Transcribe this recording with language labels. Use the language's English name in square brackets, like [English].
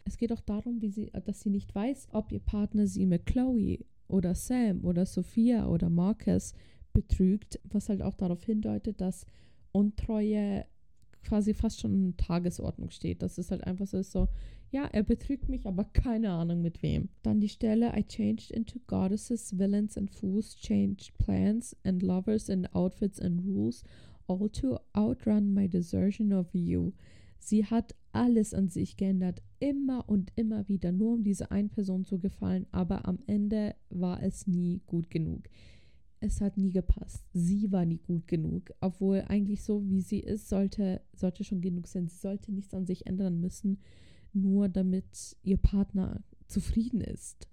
[German] Es geht auch darum, dass sie nicht weiß, ob ihr Partner sie mit Chloe oder Sam oder Sophia oder Marcus betrügt, was halt auch darauf hindeutet, dass Untreue quasi fast schon in Tagesordnung steht. Das ist halt einfach so, ja, er betrügt mich, aber keine Ahnung mit wem. Dann die Stelle, [English] I changed into goddesses, villains and fools, changed plans and lovers and outfits and rules, all to outrun my desertion of you. [German] Sie hat alles an sich geändert, immer und immer wieder, nur um diese eine Person zu gefallen, aber am Ende war es nie gut genug. Es hat nie gepasst. Sie war nie gut genug, obwohl eigentlich so, wie sie ist, sollte schon genug sein. Sie sollte nichts an sich ändern müssen, nur damit ihr Partner zufrieden ist.